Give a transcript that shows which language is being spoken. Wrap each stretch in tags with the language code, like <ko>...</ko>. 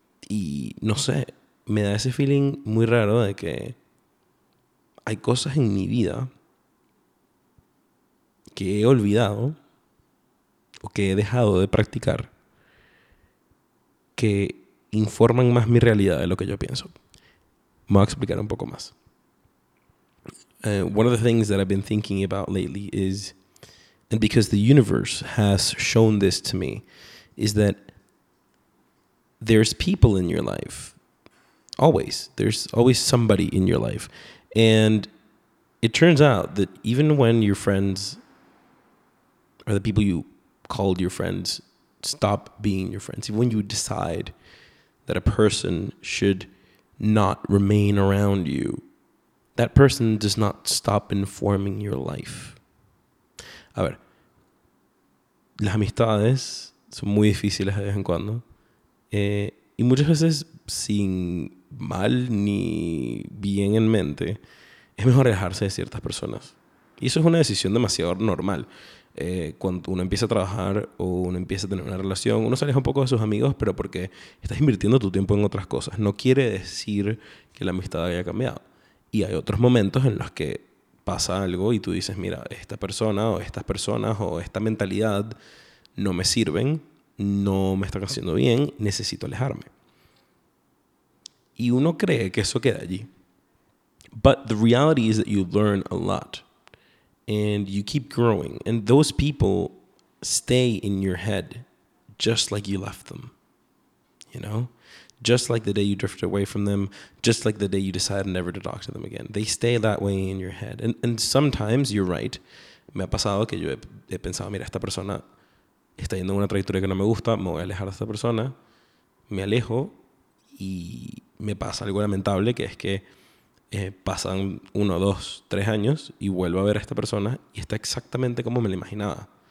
<es>Y no sé, me da ese feeling muy raro de que hay cosas en mi vida que he olvidado o que he dejado de practicar que informan más mi realidad de lo que yo pienso. Me voy a explicar un poco más.</es> <en>One of the things that I've been thinking about lately is, and because the universe has shown this to me, is that there's people in your life. Always. There's always somebody in your life. And it turns out that even when your friends or the people you called your friends stop being your friends, even when you decide that a person should not remain around you, that person does not stop informing your life.</en> <es>A ver, las amistades son muy difíciles de vez en cuando. Y muchas veces, sin mal ni bien en mente, es mejor alejarse de ciertas personas. Y eso es una decisión demasiado normal. Cuando uno empieza a trabajar o uno empieza a tener una relación, uno se aleja un poco de sus amigos, pero porque estás invirtiendo tu tiempo en otras cosas. No quiere decir que la amistad haya cambiado. Y hay otros momentos en los que pasa algo y tú dices, mira, esta persona o estas personas o esta mentalidad no me sirven, no me están haciendo bien, necesito alejarme. Y uno cree que eso queda allí.</es> <en>But the reality is that you learn a lot and you keep growing. And those people stay in your head just like you left them, you know? Just like the day you drifted away from them, just like the day you decided never to talk to them again. They stay that way in your head. And sometimes, you're right,</en> <es>me ha pasado que yo he pensado, mira, esta persona está yendo en una trayectoria que no me gusta, me voy a alejar de esta persona, me alejo y me pasa algo lamentable, que es que pasan uno, dos, tres años y vuelvo a ver a esta persona y está exactamente como me lo imaginaba.</es>